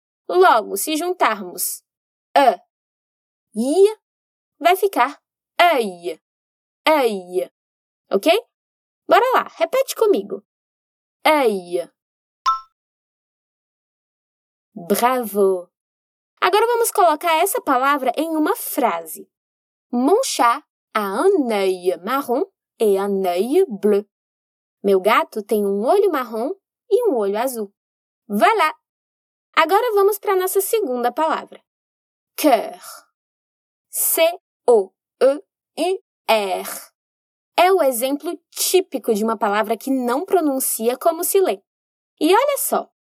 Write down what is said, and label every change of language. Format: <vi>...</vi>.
<pt>Logo, se juntarmos e, i, vai ficar œil, ok? Bora lá, repete comigo. Œil. Bravo! Agora vamos colocar essa palavra em uma frase.</pt> <fr>Mon chat a un œil marron et un œil bleu.</fr> <pt>Meu gato tem um olho marrom e um olho azul. Voilà! Agora vamos para a nossa segunda palavra. Cœur. C-O-E-U-R. É o exemplo típico de uma palavra que não pronuncia como se lê. E olha só!</pt>